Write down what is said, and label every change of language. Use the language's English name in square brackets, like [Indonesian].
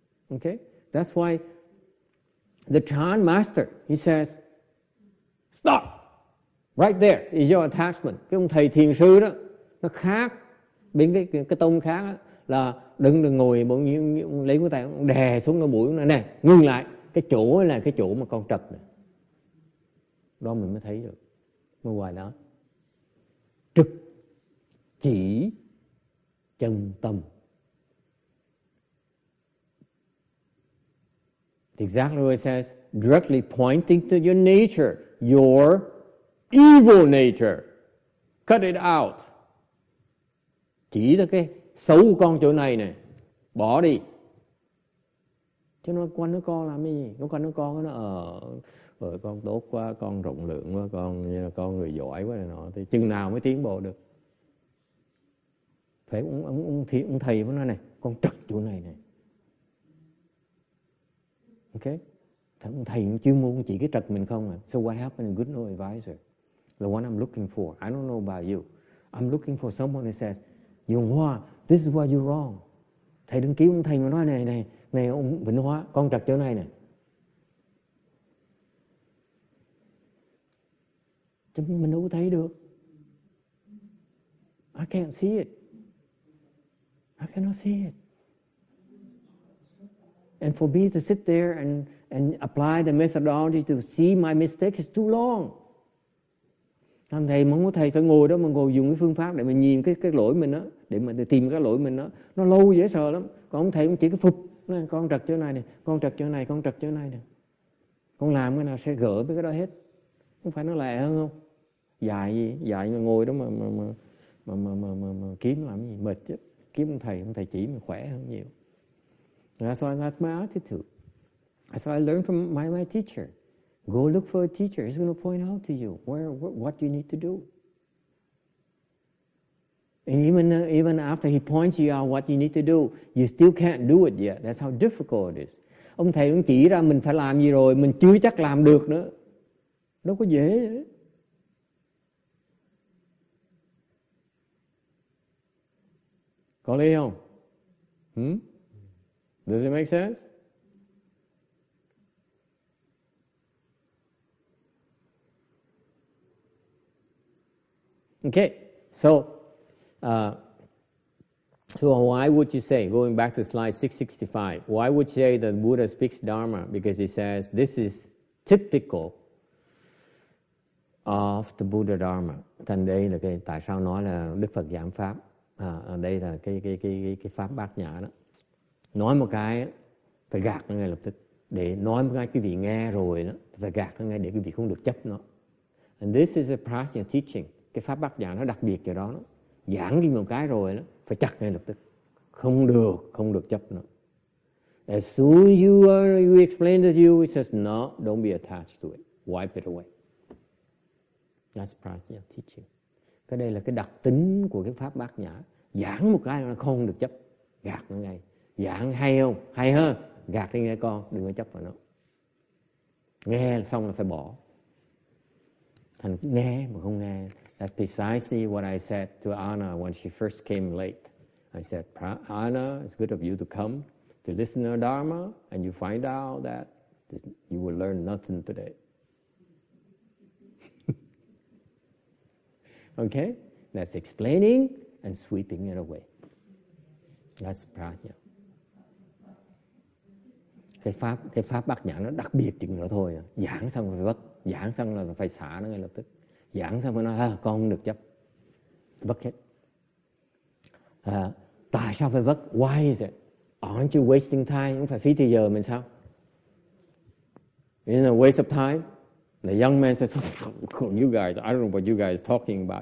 [English] Okay, that's why the Chan master, he says, stop, right there is your attachment. [Vietnamese] Cái ông thầy thiền sư đó, nó khác, biến cái tông khác đó, là đừng ngồi bỗng nhiên lấy cái tay, đè xuống cái mũi, nè, ngừng lại, cái chỗ là cái chỗ mà con trật này. Đó mình mới thấy được, mới hoài đó. Trực, chỉ, chân tâm. [English] Exactly what it says, directly pointing to your nature, your evil nature. Cut it out. [Vietnamese] Chỉ là cái xấu của con chỗ này nè, bỏ đi. Chứ nó quanh nó con làm cái gì? Nó quanh nó con, nó con tốt quá, con rộng lượng quá, con người giỏi quá này nọ. Thì chừng nào mới tiến bộ được? Phải ông thầy mới nói này, con trật chỗ này nè. Okay. Thầy chuyên môn chỉ cái trật mình không à. [English] So what happened? Good no advisor. The one I'm looking for. I don't know about you. I'm looking for someone who says, Dương Hoa, this is why you're wrong. [Vietnamese] Thầy đừng kiếm ông thầy mà nói này, này, này ông Vĩnh Hoa, con trật chỗ này nè. Chứ mình đâu có thấy được. [English] I cannot see it. And for me to sit there and apply the methodology to see my mistakes is too long. [Vietnamese] Thầy thầy muốn thầy phải ngồi đó mà ngồi dùng cái phương pháp để mình nhìn cái lỗi mình đó, để mình tìm cái lỗi mình đó, nó lâu dễ sợ lắm. Còn ông thầy cũng chỉ cái phục, con trật chỗ này nè, con trật chỗ này, con trật chỗ này nè. Con làm cái nào sẽ gỡ với cái đó hết. Không phải nó lẹ hơn không? Dạy gì? Dạy mà ngồi đó mà kiếm làm gì mệt chứ. Kiếm ông thầy chỉ mình khỏe hơn nhiều. [English] That's why that's my attitude. That's why I learned from my teacher. Go look for a teacher. He's going to point out to you what you need to do. And even after he points you out what you need to do, you still can't do it yet. That's how difficult it is. [Vietnamese] Ông thầy cũng chỉ ra mình phải làm gì rồi, mình chưa chắc làm được nữa. Đâu có dễ vậy. Có lý không? [English] Does it make sense? Okay, so why would you say, going back to slide 665, why would you say that Buddha speaks Dharma? Because he says this is typical of the Buddha Dharma. [Vietnamese] Thành đây là cái tại sao nói là Đức Phật giảng pháp. Đây là cái pháp bát nhã đó. Nói một cái phải gạt nó ngay lập tức. Để nói một cái quý vị nghe rồi đó, phải gạt nó ngay để quý vị không được chấp nó. [English] And this is a prajna teaching. [Vietnamese] Cái pháp bát giảng nó đặc biệt cho đó, đó. Giảng đi một cái rồi đó, phải chặt ngay lập tức. Không được chấp nó. [English] As soon as you explain to you, it says, no, don't be attached to it. Wipe it away. That's prajna teaching. [Vietnamese] Cái đây là cái đặc tính của cái pháp bát nhã. Giảng một cái nó không được chấp. Gạt nó ngay. Giảng hay không? Hay hơn. Gạt đi nghe con, đừng có chấp vào nó. Nghe xong là phải bỏ. Thành nghe mà không nghe. [English] That's precisely what I said to Anna when she first came late. I said, Anna, it's good of you to come to listen to Dharma and you find out that this, you will learn nothing today. Okay? That's explaining and sweeping it away. That's prajna. [Vietnamese] Cái pháp bát nhã nó đặc biệt chừng đó thôi. Giảng xong phải vất. Giảng xong là phải xả nó ngay lập tức. Giảng xong phải nói, con không được chấp. Vất hết. Tại sao phải vất? [English] Why is it? Aren't you wasting time? [Vietnamese] Không phải phí thời giờ mình sao? [English] It's a waste of time. The young man says, you guys, I don't know what you guys are talking about.